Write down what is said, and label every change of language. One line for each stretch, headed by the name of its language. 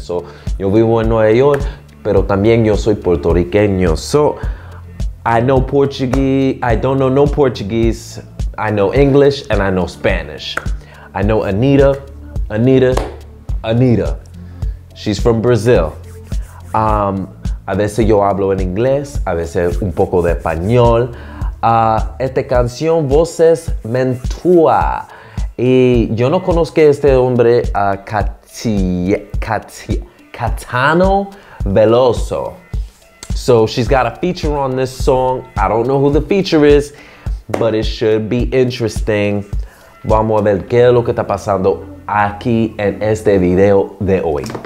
Spanish: So, yo vivo en Nueva York, pero también yo soy puertorriqueño.
English: So, I know Portuguese. I don't know no Portuguese. I know English and I know Spanish. I know Anitta. She's from Brazil.
Spanish: A veces yo hablo en inglés, a veces un poco de español. Esta canción, Voces Mentiu. Y yo no conozco este hombre, Caetano Veloso.
English: So she's got a feature on this song. I don't know who the feature is, but it should be interesting.
Spanish: Vamos a ver qué es lo que está pasando aquí en este video de hoy.